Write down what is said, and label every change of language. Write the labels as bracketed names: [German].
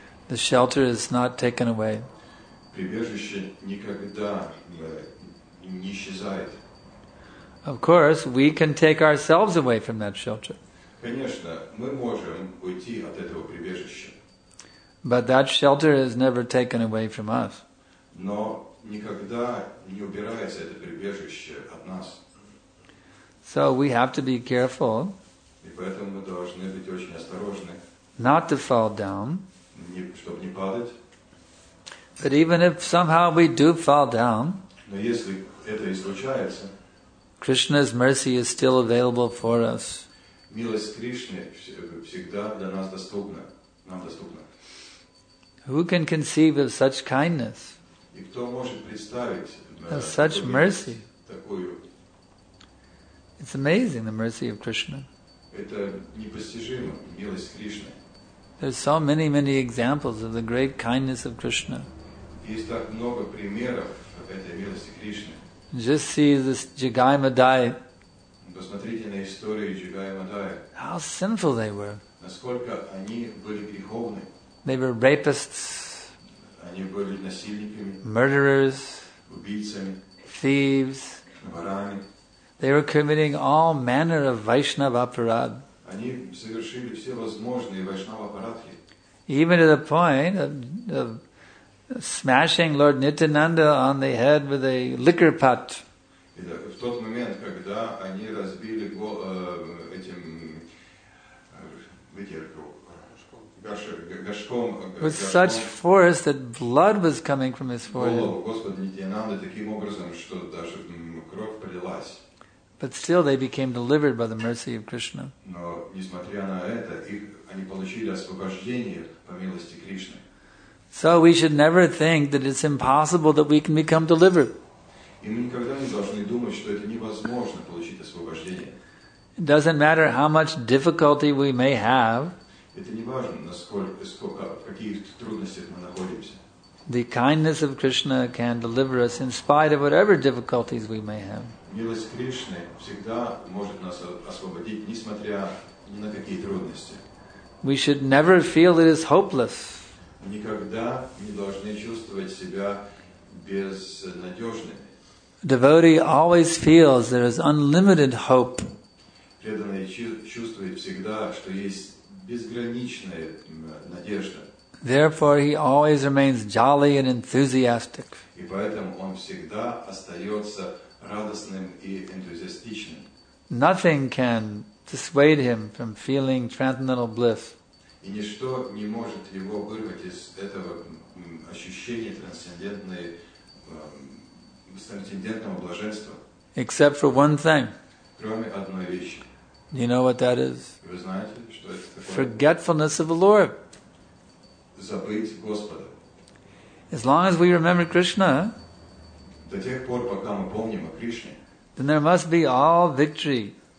[English] The shelter is not taken away. [Russian] Прибежище никогда не исчезает. [English] Of course, we can take ourselves away from that shelter. [Russian] Конечно, мы можем уйти от этого прибежища. [English] But that shelter is never taken away from us. [Russian] Но никогда не убирается это прибежище от нас. [English] So we have to be careful. [Russian] И поэтому мы должны быть очень осторожны. [English] Not to fall down. [Russian] Не, чтобы не падать. [English] But even if somehow we do fall down, [Russian] но если это и случается, [English] Krishna's mercy is still available for us. [Russian] Милость Кришны всегда для нас доступна, нам доступна. [English] Who can conceive of such kindness? [Russian] И кто может представить [English] of such [Russian] такую [English] mercy? [Russian] Такую? [English] It's amazing, the mercy of Krishna. [Russian] Это непостижимо, милость Кришны. [English] There's so many, many examples of the great kindness of Krishna. [Russian] Есть так много примеров этой милости Кришны. [English] Just see this Jagai Madai. [Russian] Посмотрите на историю Jagai Madai. [English] How sinful they were. [Russian] Насколько они были греховны. [English] They were rapists. [Russian] Они были насильниками. [English] Murderers. [Russian] Убийцами. [English] Thieves. [Russian] Ворами. [English] They were committing all manner of Vaishnava aparad. [Russian] Они совершили все возможные Вайшнава апарадхи. [English] Even to the point of smashing Lord Nityananda on the head with a liquor pot. [Russian] В тот момент, когда они разбили этим горшком, [English] with such force that blood was coming from his forehead. [Russian] Господа Нитянанды таким образом, что даже кровь полилась. [English] But still they became delivered by the mercy of Krishna. [Russian] Но несмотря на это, они получили освобождение по милости Кришны. [English] So we should never think that it's impossible that we can become delivered. [Russian] И мы никогда не должны думать, что это невозможно получить освобождение. [English] It doesn't matter how much difficulty we may have. [Russian] Это не важно, насколько, сколько, в каких трудностях мы находимся. [English] The kindness of Krishna can deliver us in spite of whatever difficulties we may have. [Russian] Милость Кришны всегда может нас освободить, несмотря ни на какие трудности. [English] We should never feel it is hopeless. [Russian] Мы никогда не должны чувствовать себя безнадежными. [English] Devotee always feels there is unlimited hope. [Russian] Преданный чувствует всегда, что есть безграничная надежда. [English] Therefore, he always remains jolly and enthusiastic. [Russian] И поэтому он всегда остается радостным и энтузиастичным. [English] Nothing can dissuade him from feeling transcendental bliss. [Russian] И ничто не может его вырвать из этого ощущения трансцендентного блаженства. [English] Except for one thing. [Russian] Кроме одной вещи. [English] You know what that is? [Russian] Вы знаете, что это такое? [English] Forgetfulness of the Lord. [Russian] Забыть Господа. [English] As long as we remember Krishna, [Russian] до тех пор, пока мы помним о Кришне, [English] then there must be all victory.